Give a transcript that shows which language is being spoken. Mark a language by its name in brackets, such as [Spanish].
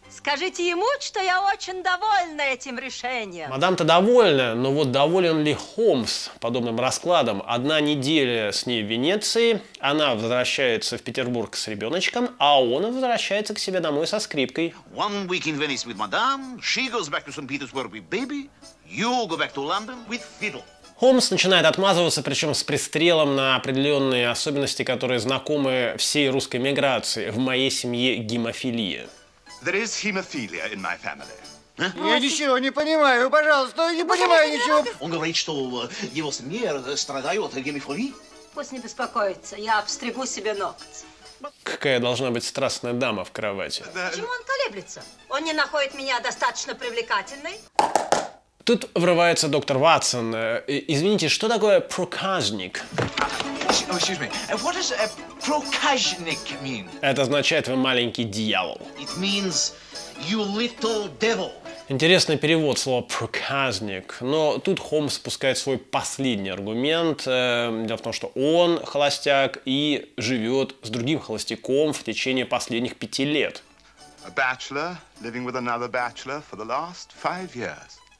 [Russian] Скажите ему, что я очень довольна этим решением. Мадам-то довольна, но вот доволен ли Холмс подобным раскладом? Одна неделя с ней в Венеции, она возвращается в Петербург с ребеночком, а он возвращается к себе домой со скрипкой. [English] One week in Venice with Madame, she goes back to St. Petersburg with baby, you go back to London with fiddle. [Russian] Холмс начинает отмазываться, причем с пристрелом на определенные особенности, которые знакомы всей русской миграции. В моей семье гемофилия. [English] There is hemophilia in my family. Huh? [Russian] Я ничего не понимаю, пожалуйста, не понимаю ничего. Он говорит, что его семье страдают от гемофилии. Пусть не беспокоится, я обстригу себе ногти. Какая должна быть страстная дама в кровати. Да. Почему он колеблется? Он не находит меня достаточно привлекательной? Тут врывается доктор Ватсон. Извините, что такое проказник? Это означает «вы маленький дьявол». [English] It means you little devil. [Russian] Интересный перевод слова «проказник». Но тут Холмс спускает свой последний аргумент. Дело в том, что он холостяк и живет с другим холостяком в течение последних 5 лет. [English] A bachelor living with another bachelor for the last 5 years.